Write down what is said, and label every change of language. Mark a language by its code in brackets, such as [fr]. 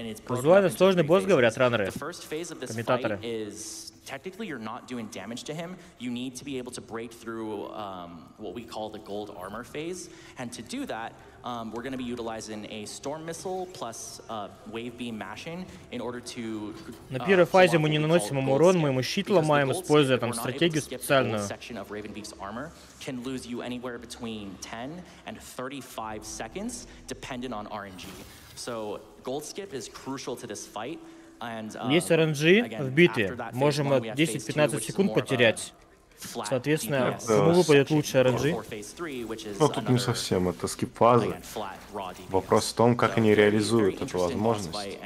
[ru] Визуально сложный босс, говорят раннеры, комментаторы. [en] Technically, you're not doing damage to him. You need to be able to break through what we call the gold armor phase. And to do that, we're going to be utilizing a storm missile plus wave beam mashing in order to. [ru] На первой фазе мы не наносим ему урон, мы ему щит ломаем, используя там стратегию специальную. [en] Section of Ravenbeak's armor can lose you anywhere between 10 and 35 seconds, depending on RNG. So gold skip is crucial to this fight. [ru] Есть RNG в битве, можем 10-15 секунд потерять. Соответственно, кому выпадет лучше RNG? Ну, тут не совсем, это скип-фазы. Вопрос в том, как они реализуют эту возможность.